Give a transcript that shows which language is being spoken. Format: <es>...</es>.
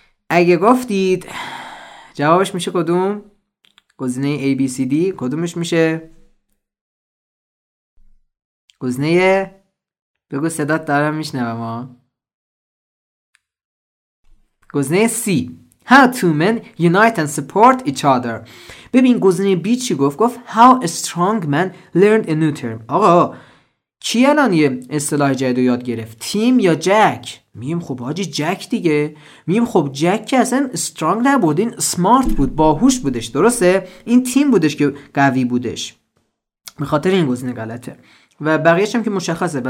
<fa>اگه گفتید جوابش میشه کدوم، گزینه A B C D، کدومش میشه؟ گزینه، بگو صدات دارم میشنوم، گزینه C.</fa> <en>How two men unite and support each other.</en> <fa>ببین گزینه B چی گفت؟ گفت</fa> <en>How a strong man learned a new term.</en> <fa>آقا کی الان یه اصطلاح جدید یاد گرفت، تیم یا جک؟ میگیم خب حاجی جک دیگه، میگیم خب جک که اصلا استرانگ نبود، این سمارت بود، باهوش بودش، درسته؟ این تیم بودش که قوی بودش، به خاطر این گزینه غلطه و بقیهش هم که مشخصه.</fa>